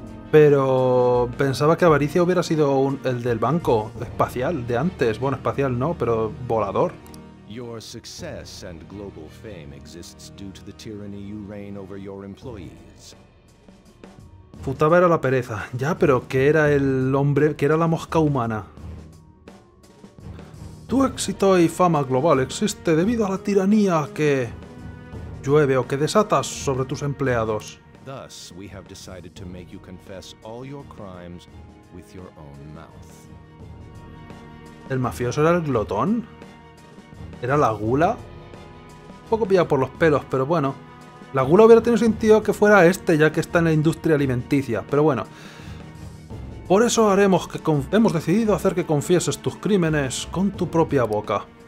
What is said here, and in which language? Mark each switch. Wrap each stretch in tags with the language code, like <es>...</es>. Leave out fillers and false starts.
<es>Pero pensaba que avaricia hubiera sido el del banco espacial de antes. Bueno, espacial no, pero volador.</es> <en>Your success and global fame exists due to the tyranny you reign over your employees.</en> <es>Futaba era la pereza. Ya, pero ¿qué era el hombre? ¿Qué era la mosca humana? Tu éxito y fama global existe debido a la tiranía que llueve o que desatas sobre tus empleados.</es> <en>Thus, we have decided to make you confess all your crimes with your own mouth.</en> <es>¿El mafioso era el glotón? ¿Era la gula? Un poco pillado por los pelos, pero bueno. La gula hubiera tenido sentido que fuera este, ya que está en la industria alimenticia, pero bueno. Por eso haremos que hemos decidido hacer que confieses tus crímenes con tu propia boca.</es>